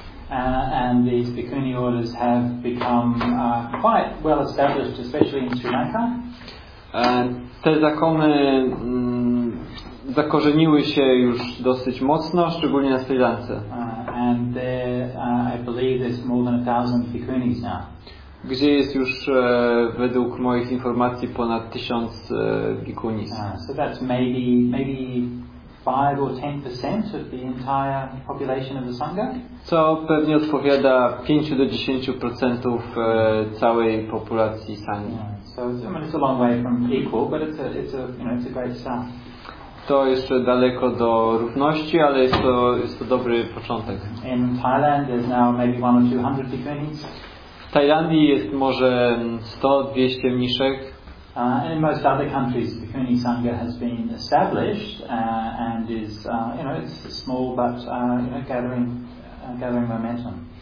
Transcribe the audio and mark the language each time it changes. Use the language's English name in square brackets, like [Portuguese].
[English] And these bhikkhuni orders have become quite well established, especially in Sri Lanka. [Polish] Te zakony zakorzeniły się już dosyć mocno, szczególnie na Sri Lance. [English] And there, I believe there's more than 1,000 bhikkhunis now. [Polish] Gdzie jest już według moich informacji ponad 1,000 bhikkhunis. [English] So that's maybe 5 or 10% of the entire population of the Sangha. [Polish] Co pewnie odpowiada 5-10% całej populacji Sangi. [English] Yeah. So I mean, it's a long way from equal, but it's a you know, it's a great start. [Polish] To jeszcze daleko do równości, ale jest to dobry początek. [English] In Thailand, there's now maybe 100 or 200 bhikkhunis. [Polish] W Tajlandii jest może 100-200 mniszek. [English] And in most other countries, the Bhikkhuni Sangha has been established and is, you know, it's small but you know, gathering momentum.